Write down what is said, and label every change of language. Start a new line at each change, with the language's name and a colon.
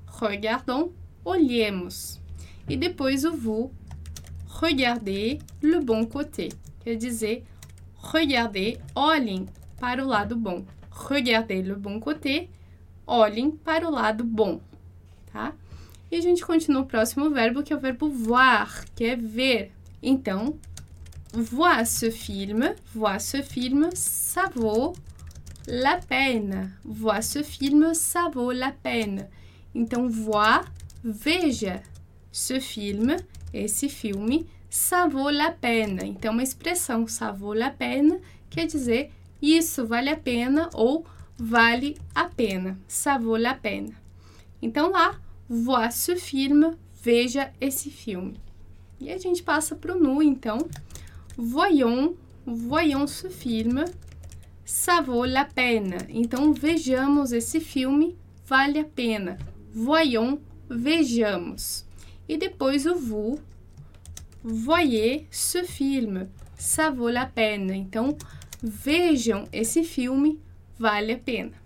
French: Regardons,
Portuguese: olhemos. E depois o
French: vous, regardez le bon côté.
Portuguese: Quer dizer,
French: regardez,
Portuguese: olhem para o lado bom.
French: Regardez le bon côté,
Portuguese: olhem para o lado bom. Tá? E a gente continua o próximo verbo, que é o verbo voir, que é ver. Então,
French: voir ce film, ça vaut la peine. Voir ce film, ça vaut la peine.
Portuguese: Então,
French: voir,
Portuguese: veja.
French: Ce film,
Portuguese: esse filme,
French: ça vaut la peine.
Portuguese: Então, uma expressão,
French: ça vaut la peine,
Portuguese: quer dizer, isso vale a pena ou vale a pena.
French: Ça vaut la peine.
Portuguese: Então, lá,
French: voir ce film,
Portuguese: veja esse filme. E a gente passa pro nu, então.
French: Voyons ce film, ça vaut la peine.
Portuguese: Então, vejamos esse filme, vale a pena.
French: Voyons,
Portuguese: vejamos. E depois o
French: vous, voyez ce film, ça vaut la peine.
Portuguese: Então, vejam esse filme, vale a pena.